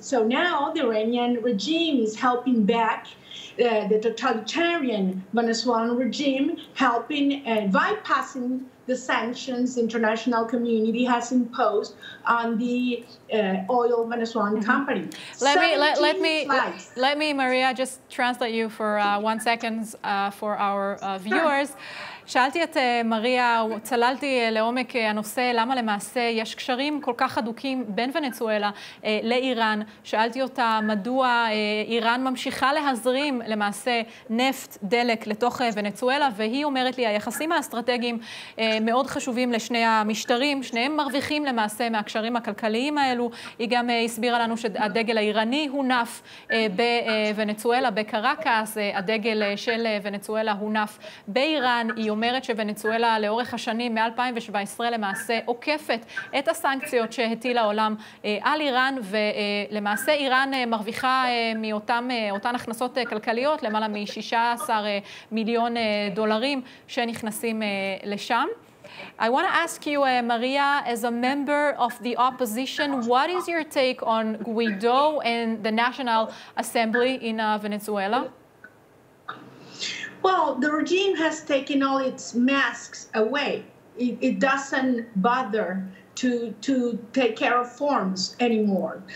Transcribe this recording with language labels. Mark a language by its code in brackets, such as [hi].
[en] So now the Iranian regime is helping back the totalitarian Venezuelan regime, helping and bypassing the sanctions international community has imposed on the oil Venezuelan company. Let me, Maria, just translate you for 1 second for our viewers. [he] שאלתי את מריה, צללתי לעומק הנושא, למה למעשה יש קשרים כל כך הדוקים בין ונצואלה לאיראן. שאלתי אותה מדוע איראן ממשיכה להזרים למעשה נפט, דלק לתוך ונצואלה, והיא אומרת לי, היחסים האסטרטגיים מאוד חשובים לשני המשטרים, שניהם מרוויחים למעשה מהקשרים הכלכליים האלו. היא גם הסבירה לנו שהדגל האיראני הונף בוונצואלה, בקרקס, הדגל של ונצואלה הונף באיראן. היא אומרת שוונצואלה לאורך השנים, מ-2017 למעשה, עוקפת את הסנקציות שהטיל העולם על איראן, ולמעשה איראן מרוויחה מאותן הכנסות כלכליות, למעלה מ-16 מיליון דולרים שנכנסים לשם. [en] I want to ask you, Maria, as a member of the opposition, what is your take on Guaido and the National Assembly in Venezuela? Well, the regime has taken all its masks away. It doesn't bother to take care of forms anymore.